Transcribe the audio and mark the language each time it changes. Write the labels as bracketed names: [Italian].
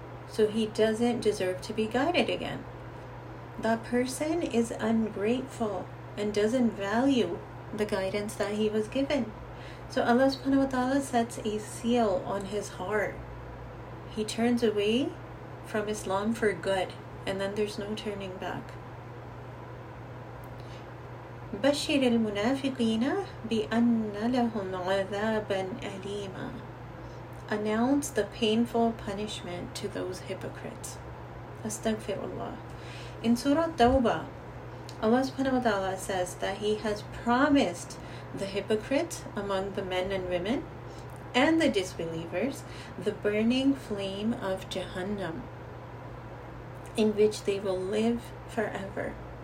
[English] So he doesn't deserve to be guided again. That person is ungrateful and doesn't value the guidance that he was given. So Allah subhanahu wa ta'ala sets a seal on his heart he turns away from Islam for good, and then there's no turning back. [Arabic] بشر المنافقين بأن لهم عذابا أليما. [English] Announce the painful punishment to those hypocrites. Astaghfirullah. In Surah Tawbah, Allah subhanahu wa ta'ala says that He has promised the hypocrite among the men and women and the disbelievers the burning flame of Jahannam, in which they will live forever.